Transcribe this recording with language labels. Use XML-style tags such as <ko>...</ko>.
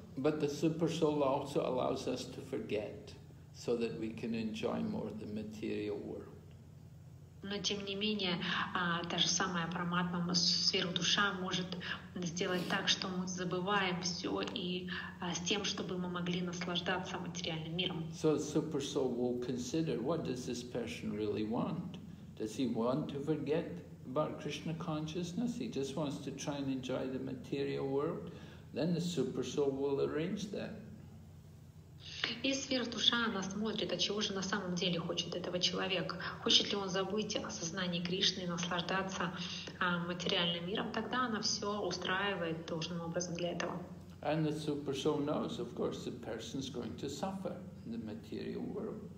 <en>But the super soul also allows us to forget so that we can enjoy more the material world.</en> <ru>Но тем не менее, та же самая Параматма, сверхдуша, может сделать так, что мы забываем все и с тем, чтобы мы могли наслаждаться материальным миром.</ru> <en>So the super soul will consider, what does this person really want? Does he want to forget about Krishna consciousness? He just wants to try and enjoy the material world? Then the super soul will arrange that.</en> <ru>И сверхдуша, она смотрит, а чего же на самом деле хочет этого человека. Хочет ли он забыть о сознании Кришны и наслаждаться материальным миром? Тогда она все устраивает должным образом для этого.</ru> <en>And the super soul knows, of course, the person's going to suffer in the material world.</en>